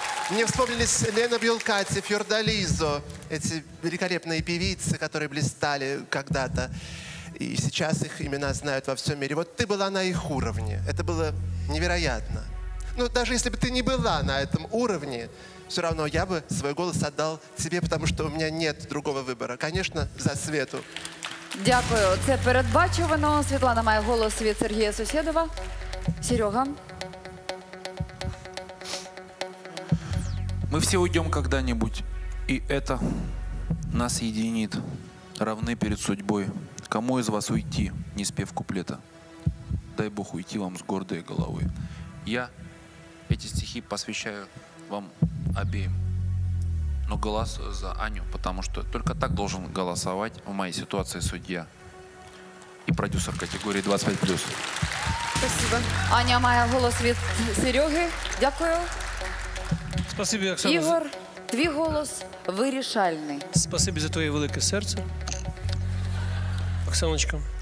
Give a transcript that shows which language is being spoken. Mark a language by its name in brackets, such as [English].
[Russian] Мне вспомнились Лена Бьюлкати, Фьордализо, эти великолепные певицы, которые блистали когда-то. И сейчас их имена знают во всем мире. Вот ты была на их уровне. Это было невероятно. Но даже если бы ты не была на этом уровне, все равно я бы свой голос отдал тебе, потому что у меня нет другого выбора. Конечно, за Свету. [Ukrainian] Дякую. Це передбачувано. Світлана має голос від Сергія Сусєдова. Серега. [Russian] Мы все уйдем когда-нибудь, и это нас единит. Равны перед судьбой. Кому из вас уйти, не спев куплета? Дай Бог уйти вам с гордой головой. Я эти стихи посвящаю вам обеим. Но голосую за Аню, потому что только так должен голосовать в моей ситуации судья и продюсер категории 25+. Спасибо. [Ukrainian] Аня моя голос від Сереги. Дякую. [Russian] Спасибо, Оксана. [Ukrainian] Ігор, твій голос вирішальний. Спасибо за твоє велике серце. Оксаночка.